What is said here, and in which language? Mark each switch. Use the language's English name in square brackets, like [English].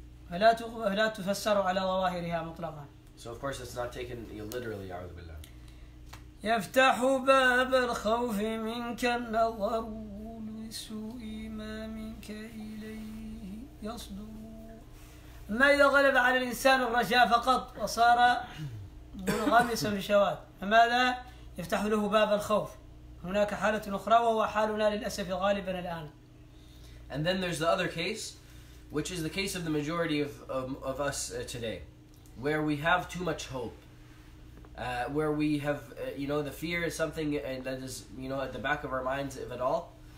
[Arabic] فلا تفسر على ظواهرها مطلقا. [English] So of course, it's not taken literally, [Arabic] أعوذ بالله. يفتح باب الخوف منك النظر لسوء ما منك إليه يصدر ما إذا غلب على الإنسان الرجاء فقط وصار منغمسا في الشواذ فماذا يفتح له باب الخوف هناك حالة أخرى وهو حالنا للأسف غالبا الآن. [English] And then there's the other case, which is the case of the majority of us today, where we have too much hope. Where we have, the fear is something that is, at the back of our minds, if at all.